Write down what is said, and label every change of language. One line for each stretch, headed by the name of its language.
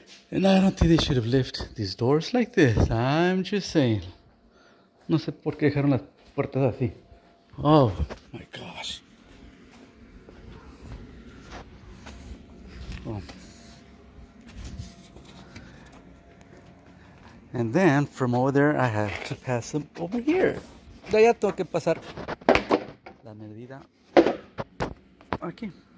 English: And I don't think they should have left these doors like this. I'm just saying.
Spanish: No sé por qué dejaron las puertas así.
English: Oh my gosh. Oh. And then from over there I have to pass them over here.
Spanish: De allá tengo que pasar la medida aquí.